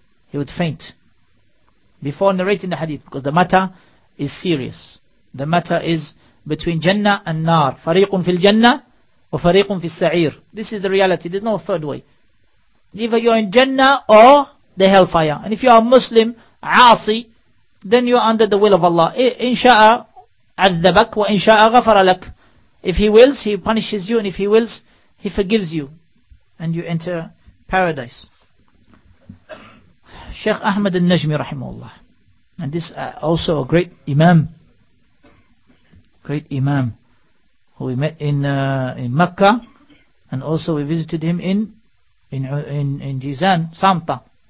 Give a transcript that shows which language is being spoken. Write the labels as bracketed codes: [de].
[en] He would faint before narrating the hadith, because the matter is serious. The matter is between Jannah and Nar. [ar] Fariqun fil Jannah [en] or [ar] Fariqun fil Sa'ir. [en] This is the reality. There's no third way. Either you're in Jannah or the hellfire. And if you are Muslim, Asi, then you are under the will of Allah. [ar] Insha'a عذبك وإن شاء غفر لك. [en] If he wills, he punishes you, and if he wills, he forgives you, and you enter paradise. Sheikh Ahmad al-Najmi rahimahullah, and this also a great imam who we met in Mecca, and also we visited him in Jizan, Samta.